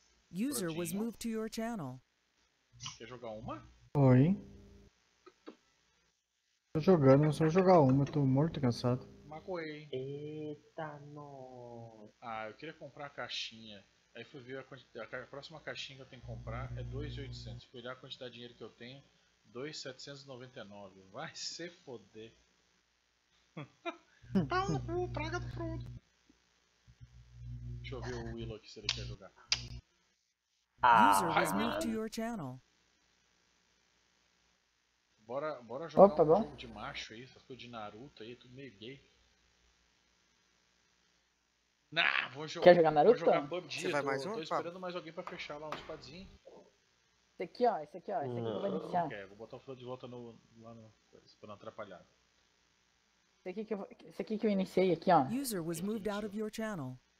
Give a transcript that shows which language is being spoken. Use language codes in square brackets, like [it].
[en] User was moved to your channel. [pt] Quer jogar uma? Oi. Tô jogando, mas só jogar uma, tô morto e cansado. Magoei. Eita, não. Ah, eu queria comprar a caixinha. Aí fui ver a próxima caixinha que eu tenho que comprar é 2.800. Fui olhar a quantidade de dinheiro que eu tenho, 2.799. Vai se foder. Praga do fruto. Deixa eu ver o Willow aqui se ele quer jogar. [en] Ah, user moved to your channel. [pt] Bora jogar. Opa, um bom. Jogo de macho aí, essas coisas de Naruto aí, tudo meio gay. Nah, vou jogar. Quer jogar Naruto? Vou jogar PUBG. Você vai mais um? Tô esperando mais alguém pra fechar lá um squadzinho. Esse aqui, ó, esse aqui, ó. Esse aqui que eu vou iniciar. Okay, vou botar o Flow de volta no, lá no. Pra não atrapalhar. Esse aqui que eu iniciei aqui, ó. [en] User was moved out of your channel.